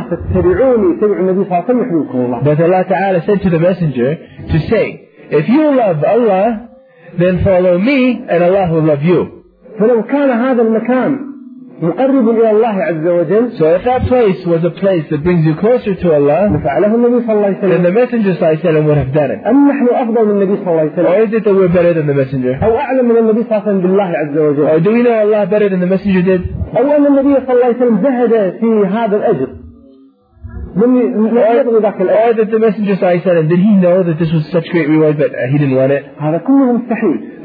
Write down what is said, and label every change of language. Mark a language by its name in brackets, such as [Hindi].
[English] But Allah Ta'ala said to the Messenger to say, if you love Allah, then follow me, and Allah will love you. [Arabic] فلو كان هذا المكان مقرب إلى الله عز وجل. [English] So if that place was a place that brings you closer to Allah, [Arabic] فعله النبي صلى الله عليه وسلم. [English] Then the Messenger صلى الله عليه وسلم would have done it. [Arabic] أم نحن أفضل من النبي صلى الله عليه وسلم؟ [English] Or is it that we're better than the Messenger? [Arabic] أو أعلم من النبي صلى الله عليه وسلم بالله عز وجل؟ [English] Or do we know Allah better than the Messenger did? [Arabic] أو أن النبي صلى الله عليه وسلم زهد في هذا الأجر. [English] Or that the Messenger صلى الله عليه وسلم, did he know that this was such great reward but he didn't want it?